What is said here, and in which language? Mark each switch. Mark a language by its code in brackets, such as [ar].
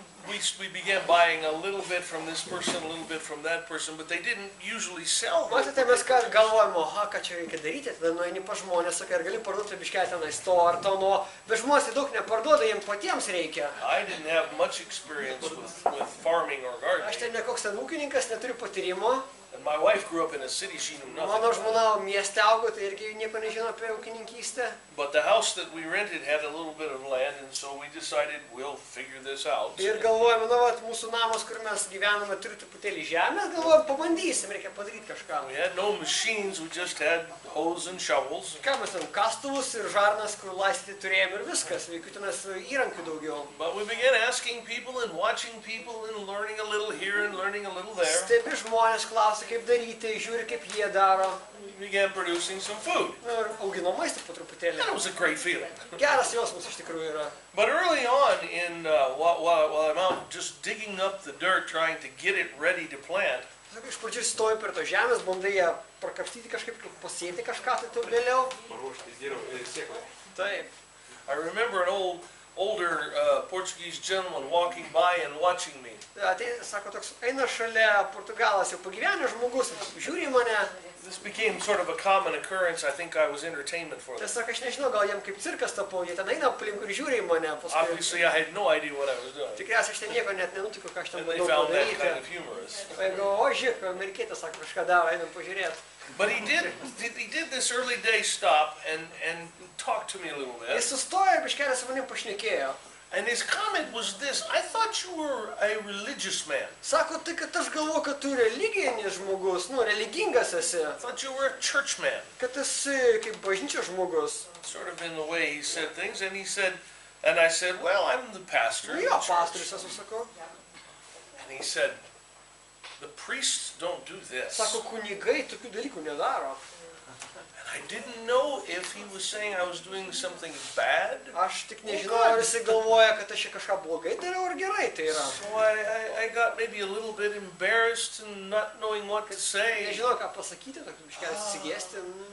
[en] We began buying a little bit from this person, a little bit from that person, but they didn't usually sell. [lt] Matėte, mes ką galvojame, aha, ką čia reikia daryti, tada nueini pa žmonės, sakai, ar gali parduoti biškelį tenais to ar to, no, bet žmonės daug neparduoda, jiems patiems reikia. [en] I didn't have much experience with farming or gardening. [lt] Aš ten nekoks ten ūkininkas, neturiu patyrimo. [en] And my wife grew up in a city, she knew nothing. [lt] Mano žmona mieste augo, tai irgi nieko nežino apie ūkininkystę. [en] But the house that we rented had a little bit of land, and so we decided we'll figure this out. [lt] Ir galvojame, nu, vat, mūsų namas, kur mes gyvename, turi truputėlį žemės, galvojame, pabandysim, reikia padaryti kažką. [en] We had no machines, we just had hoes and shovels. [lt] Ką mes ten, kastuvus ir žarnas, kur laistyti turėjom ir viskas, jokių tenas įrankių daugiau. [en] But we began asking people and watching people and learning a little here and learning a little there. [lt] Stebi žmonės, klausia, kaip daryti, žiūri, kaip jie daro. [en] We began producing some food. [lt] Ir augino maistą po truputėlį. [en] That was a great feeling. [lt] Geras jausmas iš tikrųjų yra. [en] But early on in while I'm out just digging up the dirt trying to get it ready to plant. [lt] Iš pradžių stoju per to žemės, bandai ją prakapstyti kažkaip, pasėti kažką tai to vėliau. Paruošti dirvą ir sėklą. Taip. [en] I remember an older Portuguese gentleman walking by and watching me. [lt] Sako toks, eina šalia Portugalas, jau pagyvenęs žmogus, žiūri mane. [en] This became sort of a common occurrence. I think I was entertainment for them. [lt] Tiesiog aš nežinau, gal jiem kaip cirkas tapo, jie ten eina aplink ir žiūri į mane. [en] Obviously, I had no idea what I was doing. [lt] Tikriausiai aš ten nieko net nenutiko, ką aš ten bandau padaryti. [en] And they found that kind of humorous. [lt] O, žiūrėk, amerikietis sako, kažką daro, einam pažiūrėt. [en] But he did this early day stop and talked to me a little bit. [lt] Jis sustojo ir biškelį su manim pašnekėjo. [en] And his comment was this, I thought you were a religious man. [lt] Sako, tai kad aš galvoju, kad tu religinis žmogus, nu, religingas esi. [en] I thought you were a church man. [lt] Kad esi kaip bažnyčios žmogus. [en] Sort of in the way he said things, and he said, and I said, well, I'm the pastor. [lt] Jo, pastorius esu, sako. [en] And he said, the priests don't do this. [lt] Sako, kunigai tokių dalykų nedaro. [en] I didn't know if he was saying I was doing something bad. [lt] Aš tik nežinau, ar jis galvoja, kad aš kažką blogai darau ar gerai tai yra. [en] So I got maybe a little bit embarrassed and not knowing what to say. [lt] Nežinau, ką pasakyti, tokiu biškelį susigėsti.